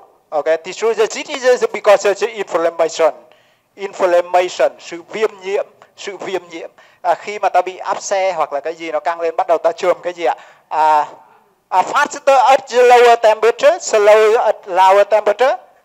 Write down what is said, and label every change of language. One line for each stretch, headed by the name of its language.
English: The disease is because of the inflammation,
Vietnamese: sự viêm nhiễm. Khi mà ta bị áp xe hoặc là cái gì nó căng lên, bắt đầu ta chườm cái gì ạ?
English: Faster at the lower temperature, slower at lower temperature.